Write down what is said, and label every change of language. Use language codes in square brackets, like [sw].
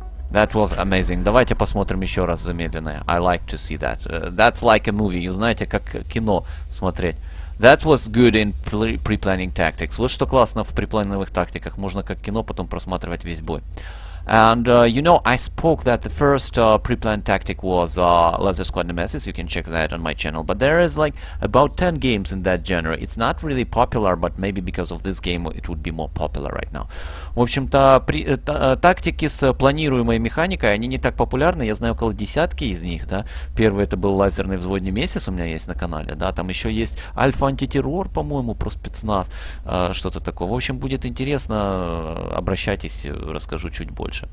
[en] That was amazing. [ru] Давайте посмотрим еще раз замедленное. [en] I like to see that. That's like a movie. You [ru] знаете, как кино смотреть. [en] That was good in pre-planning tactics. [ru] Вот что классно в припланировых тактиках. Можно как кино потом просматривать весь бой. [en] And, you know, I spoke that the first pre-planned tactic was Laser Squad Nemesis. You can check that on my channel. But there is, like, about 10 games in that genre. It's not really popular, but maybe because of this game it would be more popular right now. [ru] В общем-то, тактики с планируемой механикой, они не так популярны. Я знаю около десятки из них, да. Первый это был Лазерный Взвод Nemesis, у меня есть на канале, да. Там еще есть Альфа Антитеррор, по-моему, про спецназ, что-то такое. В общем, будет интересно, обращайтесь, расскажу чуть больше.